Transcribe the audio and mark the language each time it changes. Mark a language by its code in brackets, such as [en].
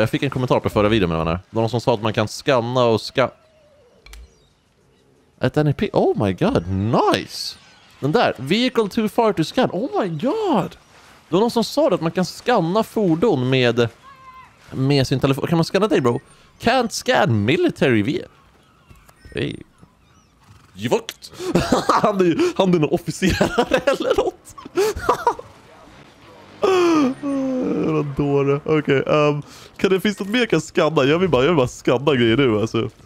[sv] Jag fick en kommentar på förra videon med vänner. Det var någon som sa att man kan scanna och ska... Ett NEP, [en] oh my god, nice! [sv] Den där, [en] vehicle too far to scan, oh my god! [sv] Det var någon som sa att man kan scanna fordon med sin telefon. Kan man scanna dig, bro? [en] Can't scan military vehicle. [sv] Hey. Givakt! han är någon officerare eller något? Vad dåre. Okej, kan det finns något mer jag kan scanna? Jag vill bara scanna grejer nu, alltså.